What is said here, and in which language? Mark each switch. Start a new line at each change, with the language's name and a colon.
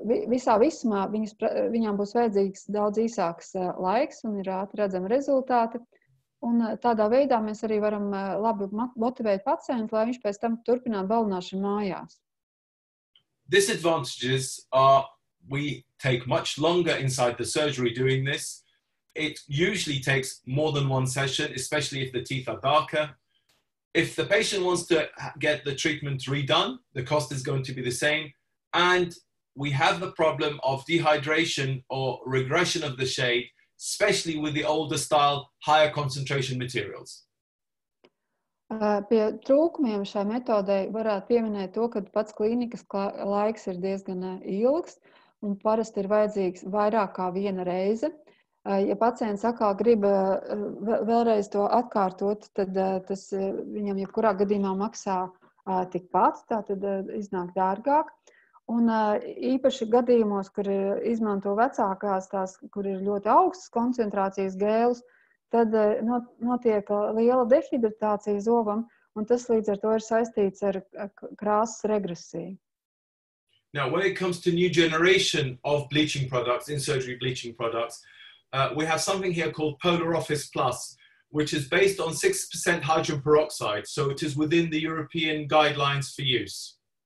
Latvian: Visā visumā viņām būs vajadzīgs daudz īsāks laiks un ir atredzami rezultāti. Un tādā veidā mēs arī varam labi motivēt pacientu, lai viņš pēc tam turpinātu balnāšanu mājās.
English: Disadvantages are we take much longer inside the surgery doing this. It usually takes more than one session, especially if the teeth are darker. If the patient wants to get the treatment redone, the cost is going to be the same. And we have the problem of dehydration or regression of the shade, especially with the older style, higher concentration materials.
Latvian: Pie trūkumiem šai metodei varētu pieminēt to, ka pats klīnikas laiks ir diezgan ilgs un parasti ir vajadzīgs vairāk kā viena reize. Ja pacients atkal grib vēlreiz to atkārtot, tad tas viņam jebkurā gadījumā maksā tikpat, tā tad iznāk dārgāk. Un īpaši gadījumos, kur izmanto vecākās tās, kur ir ļoti augstas koncentrācijas gēlus, tad notiek liela dehidratācija zobam, un tas līdz ar to ir saistīts ar krāsas regresiju.
English: Now, when it comes to new generation of bleaching products, in-surgery bleaching products, we have something here called Polar Office Plus, which is based on 6% hydrogen peroxide, so it is within the European guidelines for use.